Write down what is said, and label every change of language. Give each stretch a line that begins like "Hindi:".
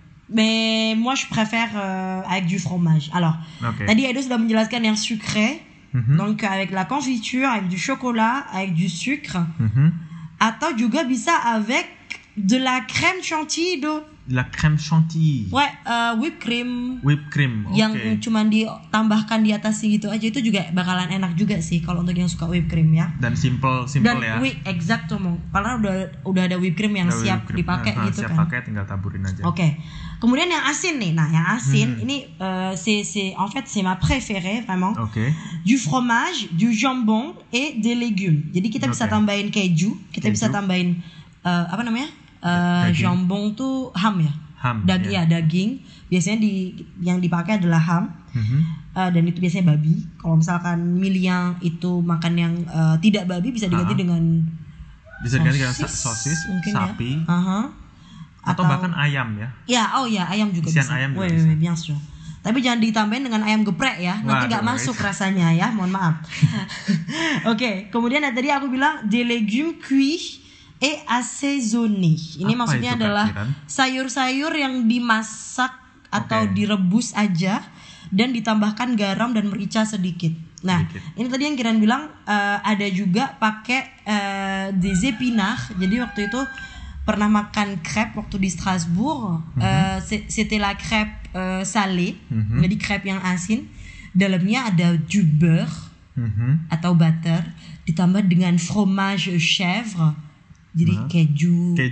French: Mais moi je préfère avec du fromage. Alors, okay.
Indonesian: Tadi Edo sudah menjelaskan yang
French: sucré. Mm-hmm. Donc avec la confiture, avec du chocolat, avec du sucre. Mm-hmm.
Indonesian: Atau juga bisa
French: avec de la crème chantilly. La crème chantilly.
English: Ouais, whipped cream. Whipped cream. Okay.
Indonesian: Yang cuman ditambahkan di atas gitu aja itu juga bakalan enak juga sih kalau untuk yang suka whipped cream ya. Dan simple ya. Dan exacto, karena udah ada whipped cream yang siap dipakai gitu siap kan. Siap pakai tinggal taburin aja. Oke. Okay. Kemudian yang asin nih, nah yang asin ini
French: c'est en fait c'est ma préférée vraiment.
Indonesian: Okay.
French: Du fromage, du jambon et des légumes.
Indonesian: Jadi kita bisa tambahin keju, bisa tambahin apa namanya jambon tuh ham ya. Ham. Daging ya daging. Biasanya yang dipakai adalah ham. Mm-hmm. Dan itu biasanya babi. Kalau misalkan milian itu makan yang tidak babi bisa diganti dengan sosis mungkin sapi. Ya. Uh-huh. Atau bahkan ayam ya. Ya, oh ya, ayam juga isian bisa. Ayam juga
French: bien sûr.
Indonesian: Tapi jangan ditambahin dengan ayam geprek ya. Nanti enggak masuk rasanya ya, mohon maaf. Oke, okay. Kemudian tadi aku bilang
French: des légumes cuits et assaisonnés.
Indonesian: Ini apa maksudnya adalah kan? Sayur-sayur yang dimasak atau direbus aja dan ditambahkan garam dan merica sedikit. Nah, sedikit. Ini tadi yang Kiran bilang ada juga pakai
French: des épinards.
Indonesian: Jadi waktu itu pernah makan crepe waktu di Strasbourg,
French: c'était la crepe salée,
Indonesian: jadi crepe yang asin, dalamnya ada
French: du beurre
Indonesian: atau butter, ditambah dengan fromage chèvre, jadi keju